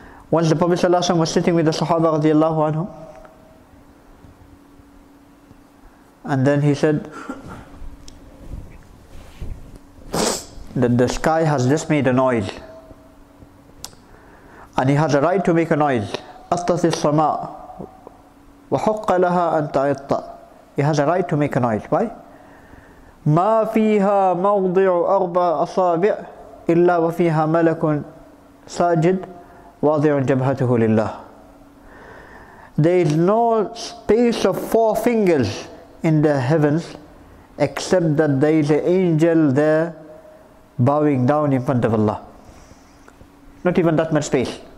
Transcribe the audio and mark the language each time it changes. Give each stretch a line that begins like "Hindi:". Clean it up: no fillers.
English: Once the Prophet ﷺ was sitting with the Sahaba radiallahu anhum, and then he said that the sky has just made a noise, and he has a right to make a noise.
Arabic: أَطَّثِ السَّمَاءُ وَحُقَّ لَهَا أَن تَعِطَّ.
English: He has a right to make a noise. Why?
Arabic: مَا فِيهَا مَوْضِعُ أَرْبَى أَصَابِعُ إِلَّا وَفِيهَا مَلَكٌ سَاجِدُ وَاضِعٌ جَبْهَتُهُ لِلَّهِ.
English: There is no space of four fingers in the heavens except that there is an angel there bowing down in front of Allah. Not even that much space.